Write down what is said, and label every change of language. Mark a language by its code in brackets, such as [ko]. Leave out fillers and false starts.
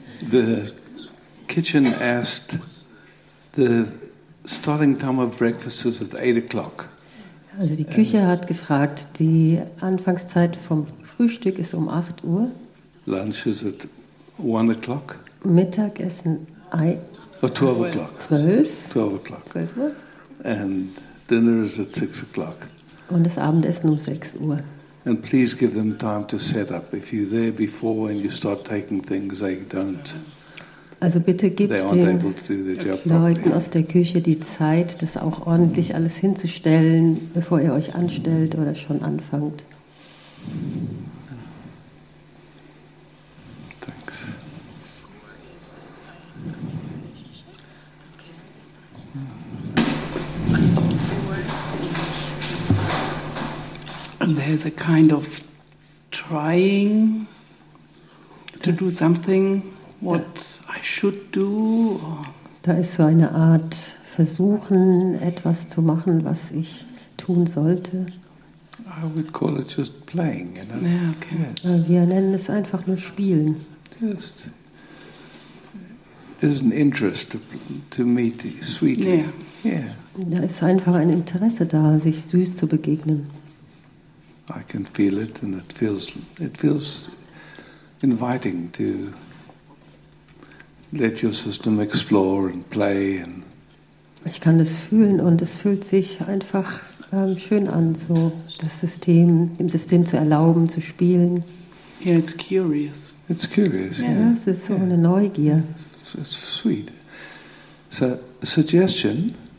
[en] The kitchen asked the starting time of breakfast is at 8 o'clock. [de] Also die Küche hat gefragt, die Anfangszeit vom Frühstück ist 8 Uhr. [en] Lunch is at 1 o'clock. [de] Mittagessen [en] 12 o'clock. 12 o'clock. [de] 12 Uhr. [en] And dinner is at 6 o'clock. [de] Und das Abendessen 6 Uhr. [en] And please give them time to set up. If you're there before and you start taking things, they don't. [de] Also bitte gibt den Leuten aus der Küche die Zeit, das auch ordentlich alles hinzustellen, bevor ihr euch anstellt oder schon anfangt. [en] Thanks. And there's a kind of trying to do something what I should do. [de] Da ist so eine Art versuchen, etwas zu machen, was ich tun sollte. [en] I would call it just playing, you know. Yeah, okay. [de] Yes. Wir nennen es einfach nur spielen. [en] Just, there's an interest to meet sweetly. Yeah. Yeah. [de] Da ist einfach ein Interesse da, sich süß zu begegnen. [en] I can feel it, and it feels inviting to let your system explore and play. And [de] ich kann das fühlen, und es fühlt sich einfach schön an, so das System, dem System zu erlauben, zu spielen. [en] Yeah, it's curious. It's curious. Yeah, [de] es ist so eine Neugier. [en] It's sweet. So, a suggestion.